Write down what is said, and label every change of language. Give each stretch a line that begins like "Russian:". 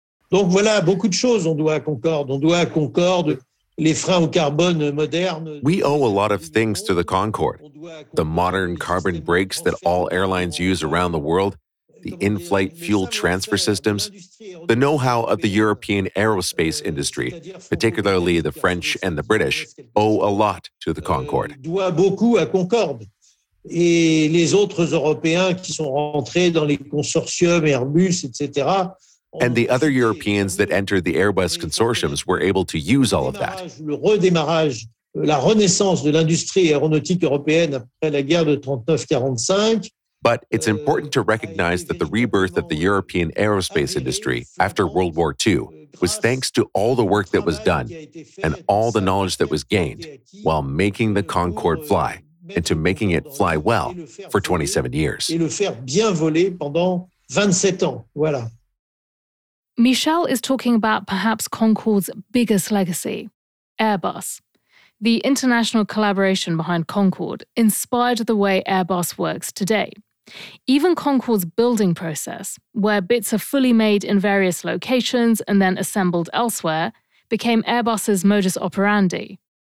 French: Donc voilà, beaucoup de choses on doit à Concorde. On doit à Concorde les freins au carbone modernes.
English: We owe a lot of things to the Concorde. The modern carbon brakes that all airlines use around the world, the in-flight fuel transfer systems, the know-how of the European aerospace industry, particularly the French and the British, owe a lot to the Concorde.
French: Doit beaucoup à Concorde. Et les autres Européens qui sont rentrés dans les consortiums Airbus, etc.
English: And the other Europeans that entered the Airbus consortiums were able to use all of that.
French: Le redémarrage, la renaissance de l'industrie aéronautique européenne après la guerre de 39-45.
English: But it's important to recognize that the rebirth of the European aerospace industry after World War II was thanks to all the work that was done and all the knowledge that was gained while making the Concorde fly and to making it fly well for 27 years.
French: Et le faire bien voler pendant 27 ans, voilà.
English: Michel is talking about perhaps Concorde's biggest legacy, Airbus. The international collaboration behind Concorde inspired the way Airbus works today. Even Concorde's building process, where bits are fully made in various locations and then assembled elsewhere, became Airbus's modus operandi.